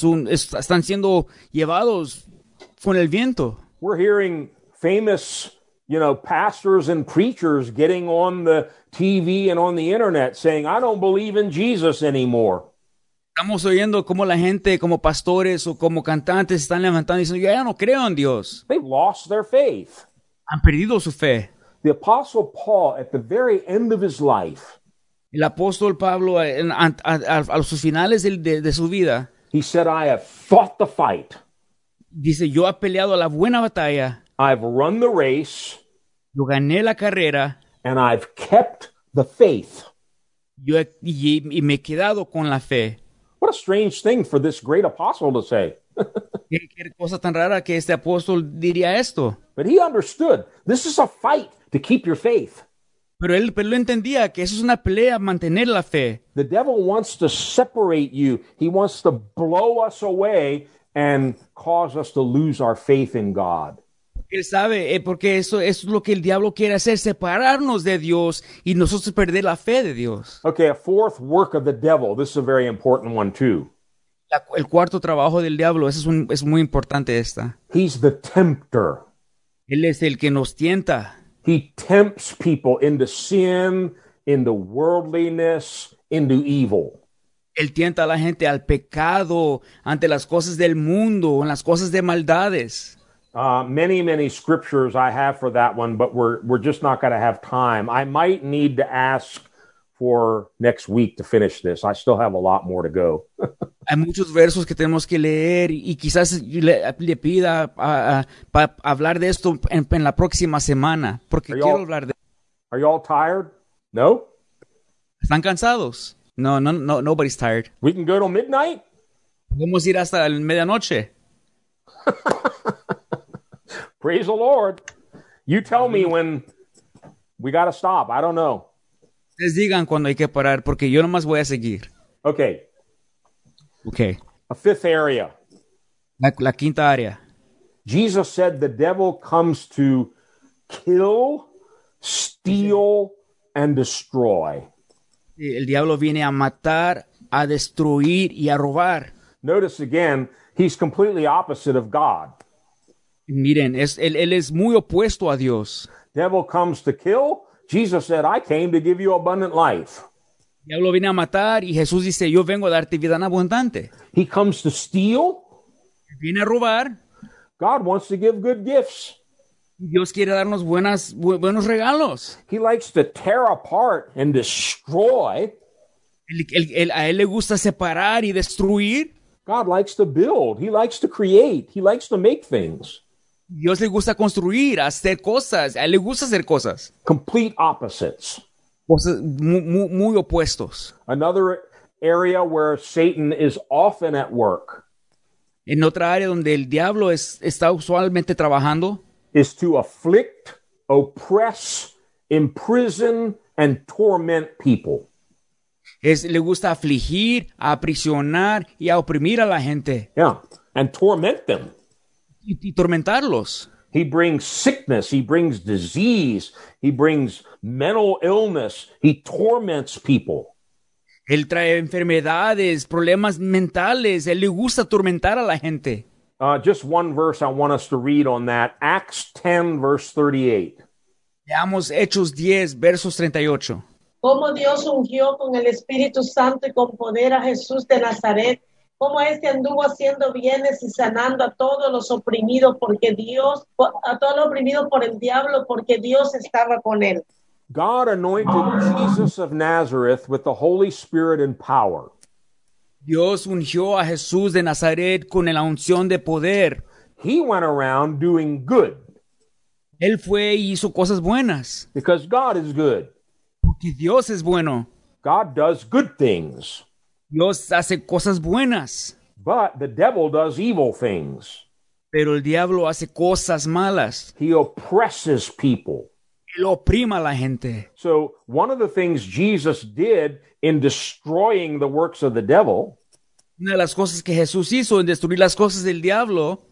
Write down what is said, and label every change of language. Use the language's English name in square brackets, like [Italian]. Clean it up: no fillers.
[Spanish] Están siendo llevados con el viento. [English] We're hearing famous, you know, pastors and preachers getting on the TV and on the internet saying, "I don't believe in Jesus anymore." [Spanish] Estamos oyendo como la gente, como pastores o como cantantes están levantando y diciendo, "Ya no creo en Dios." [English] They've lost their faith. [Spanish] Han perdido su fe. [English] The Apostle Paul, at the very end of his life, [Spanish] el apóstol Pablo, a los finales de su vida, [English] he said, "I have fought the fight." [Spanish] Dice, yo he peleado la buena batalla. [English] I've run the race. [Spanish] Yo gané la carrera. [English] And I've kept the faith. [Spanish] Y me he quedado con la fe. [English] What a strange thing for this great apostle to say. [Spanish] Qué cosa tan rara que este apóstol diría esto. [English] But he understood, this is a fight to keep your faith. [Spanish] Pero él entendía que eso es una pelea mantener la fe. [English] The devil wants to separate you. He wants to blow us away and cause us to lose our faith in God. [Spanish] Él sabe, porque eso es lo que el diablo quiere hacer, separarnos de Dios y nosotros perder la fe de Dios. [English] Okay, a fourth work of the devil. This is a very important one too. [Spanish] El cuarto trabajo del diablo, eso es muy importante esta. [English] He's the tempter. [Spanish] Él es el que nos tienta. [English] He tempts people into sin, into worldliness, into evil. [Spanish] Él tienta a la gente al pecado, ante las cosas del mundo, en las cosas de maldades. [English] Many, many scriptures I have for that one, but we're just not going to have time. I might need to ask for next week to finish this. I still have a lot more to go. [Spanish] Hay muchos versos que tenemos que leer y quizás le pida para hablar de esto en la próxima semana porque quiero hablar de. [English] Are you all tired? No. [Spanish] ¿Están cansados? No. [English] Nobody's tired. We can go till midnight. [Spanish] Vamos a ir hasta la medianoche. [English] Praise the Lord. You tell me when we got to stop. I don't know. [Spanish] Les digan cuando hay que parar porque yo nomás voy a seguir. [English] Okay. Okay. A fifth area. [Spanish] La quinta área. [English] Jesus said the devil comes to kill, steal, and destroy. [Spanish] El diablo viene a matar, a destruir, y a robar. [English] Notice again, he's completely opposite of God. [Spanish] Miren, él es muy opuesto a Dios. [English] Devil comes to kill. Jesus said, "I came to give you abundant life." [Spanish] Diablo viene a matar y Jesús dice, "Yo vengo a darte vida en abundante." [English] He comes to steal. [Spanish] Viene a robar. [English] God wants to give good gifts. [Spanish] Dios quiere darnos buenos regalos. [English] He likes to tear apart and destroy. [Spanish] A él le gusta separar y destruir. [English] God likes to build. He likes to create. He likes to make things. [Spanish] Dios le gusta construir, hacer cosas. A él le gusta hacer cosas. [English] Complete opposites. [Spanish] Muy opuestos. [English] Another area where Satan is often at work. [Spanish] En otra área donde el diablo está usualmente trabajando. [English] Is to afflict, oppress, imprison, and torment people. [Spanish] Le gusta afligir, aprisionar y a oprimir a la gente. [English] Yeah, and torment them. [Spanish] Y tormentarlos. [English] He brings sickness, he brings disease, he brings mental illness, he torments people. [Spanish] Él trae enfermedades, problemas mentales, él le gusta atormentar a la gente. [English] Just one verse I want us to read on that, Acts 10, verse 38. [Spanish] Leamos Hechos 10, versos 38. Como Dios ungió con el Espíritu Santo y con poder a Jesús de Nazaret, como este anduvo haciendo bienes y sanando a todos los oprimidos porque Dios, a todos los oprimidos por el diablo, porque Dios estaba con él. [English] God anointed Jesus of Nazareth with the Holy Spirit and power. [Spanish] Dios ungió a Jesús de Nazaret con la unción de poder. [English] He went around doing good. [Spanish] Él fue y hizo cosas buenas. [English] Because God is good. [Spanish] Porque Dios es bueno. [English] God does good things. [Spanish] Dios hace cosas buenas. [English] But the devil does evil things. [Spanish] Pero el diablo hace cosas malas. [English] He oppresses people. [Spanish] Él oprime a la gente. [English] So one of the things Jesus did in destroying the works of the devil. [Spanish] Una de las cosas que Jesús hizo en destruir las cosas del diablo.